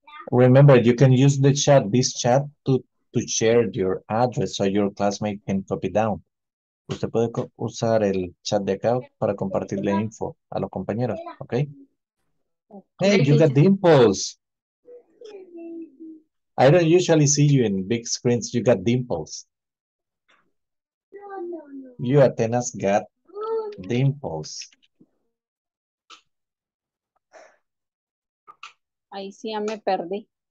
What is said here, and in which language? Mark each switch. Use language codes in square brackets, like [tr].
[en] Remember, you can use the chat, this chat, to share your address so your classmate can copy down. [es] Usted puede usar el chat de acá para compartir la info a los compañeros, ¿ok? [en] Hey, you got dimples. I don't usually see you in big screens. You got dimples. You, Atenas, got dimples. [es] Ahí sí ya me perdí.